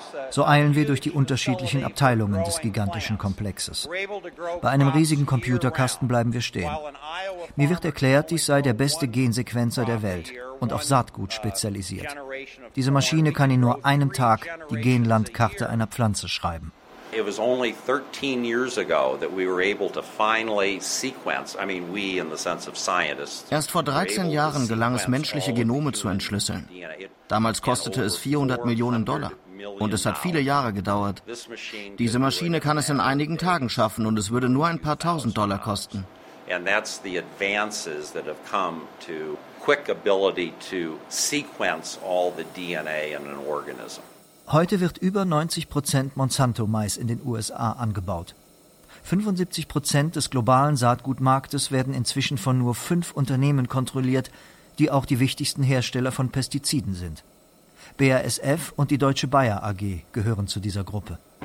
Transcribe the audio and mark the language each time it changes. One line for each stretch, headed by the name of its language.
German: So eilen wir durch die unterschiedlichen Abteilungen des gigantischen Komplexes. Bei einem riesigen Computerkasten bleiben wir stehen. Mir wird erklärt, dies sei der beste Gensequenzer der Welt und auf Saatgut spezialisiert. Diese Maschine kann in nur einem Tag die Genlandkarte einer Pflanze schreiben.
English: It was only 13 years ago that we were able to finally sequence, I mean we in the sense of scientists.
German: Erst vor 13 Jahren gelang es, menschliche Genome zu entschlüsseln. Damals kostete es $400 Millionen und es hat viele Jahre gedauert. Diese Maschine kann es in einigen Tagen schaffen und es würde nur ein paar tausend Dollar kosten.
English: And that's the advances that have come to quick ability to sequence all the DNA in an organism.
German: Heute wird über 90% Monsanto-Mais in den USA angebaut. 75% des globalen Saatgutmarktes werden inzwischen von nur 5 Unternehmen kontrolliert, die auch die wichtigsten Hersteller von Pestiziden sind. BASF und die Deutsche Bayer AG gehören zu dieser Gruppe.